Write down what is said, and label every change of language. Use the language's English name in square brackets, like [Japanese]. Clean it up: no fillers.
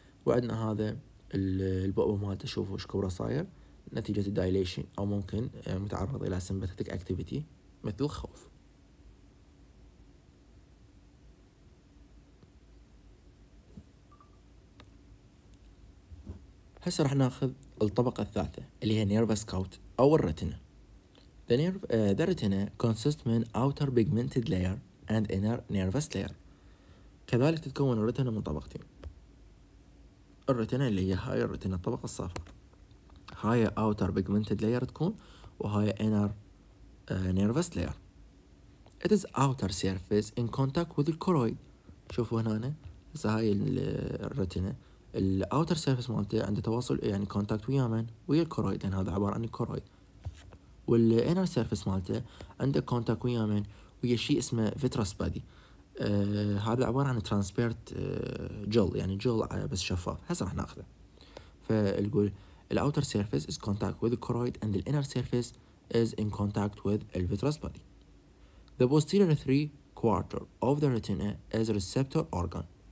[Arabic] وعندنا هذا البؤبؤ مالته شوفوا ايش كبره صاير نتيجة الدايليشن، او ممكن متعرض الى سمباثيتك اكتيفيتي مثل الخوف. هسه راح ناخذ الطبقة الثالثة اللي هي nervous coat أو الرتنة. [English] The retina consists من outer pigmented layer and inner nervous layer. [Arabic] كذلك تتكون الرتنة من طبقتين. الرتنة اللي هي هاي الرتنة الطبقة الصافرة. [English] هاي outer pigmented layer تكون وهاي inner nervous layer. It is outer surface in contact with the choroid. [Arabic] شوفوا هنا هسه هاي الرتنة الاوتر سيرفيس مالته عند تواصل يعني كونتاكت ويا من ويا الكورويد لان هذا عباره عن الكورويد والانر سيرفيس مالته عند كونتاكت ويا من ويا شيء اسمه فيتروس بادي هذا عباره عن ترانسبيرت جل يعني جل بس شفاف هسه راح ناخذه فنقول [English] الاوتر surface is contact with الكورويد and الانر surface is in contact with الفيتروس body the posterior 3 quarter of the retina is receptor organ